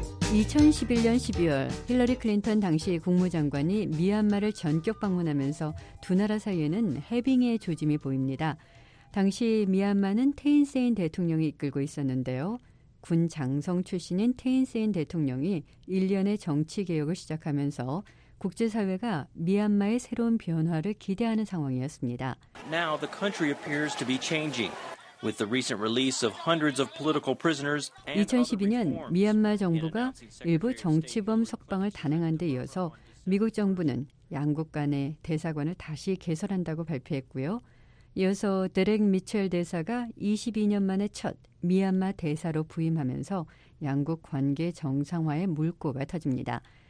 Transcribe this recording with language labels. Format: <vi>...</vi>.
<ko>2011년 12월 힐러리 클린턴 당시 국무장관이 미얀마를 전격 방문하면서 두 나라 사이에는 해빙의 조짐이 보입니다. 당시 미얀마는 테인 세인 대통령이 이끌고 있었는데요. 군 장성 출신인 테인 세인 대통령이 일련의 정치 개혁을 시작하면서 국제사회가 미얀마의 새로운 변화를 기대하는 상황이었습니다.</ko> <en>Now the country appears to be changing. With the recent release of hundreds of political prisoners and</en> <ko>2012년 미얀마 정부가 일부 정치범 석방을 단행한 데 이어서 미국 정부는 양국 간의 대사관을 다시 개설한다고 발표했고요. 이어서 데렉 미첼 대사가 22년 만에 첫 미얀마 대사로 부임하면서 양국 관계 정상화의 물꼬가 터집니다.</ko>